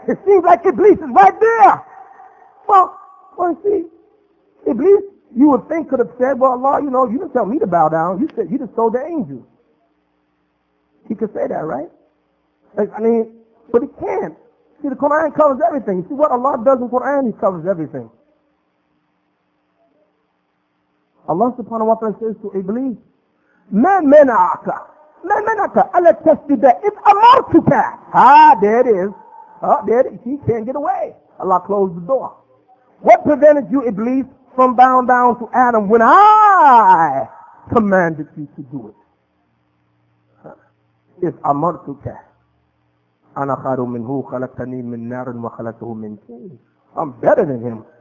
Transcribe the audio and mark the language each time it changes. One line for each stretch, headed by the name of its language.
English: It seems like Iblis is right there. Well, see, Iblis, you would think could have said, well, Allah, you know, you didn't tell me to bow down. You said, you just told the angel. He could say that, right? But he can't. See, the Quran covers everything. You see, what Allah does in the Quran, he covers everything. Allah subhanahu wa ta'ala says to Iblis,
Arabic: مَا مَنَعَكَ مَا مَنَعَكَ أَلَا تَسْجُدَ إِذْ أَمَرْتُكَ.
English: There it is. He can't get away. Allah closed the door. What prevented you, Iblis, from bowing down to Adam when I commanded you to do it?
Arabic: إِذْ أَمَرْتُكَ أَنَا خَيْرٌ مِنْهُ خَلَقْتَنِي مِنْ نَارٍ وَخَلَقْتَهُ مِنْ طِينٍ.
English: I'm better than him.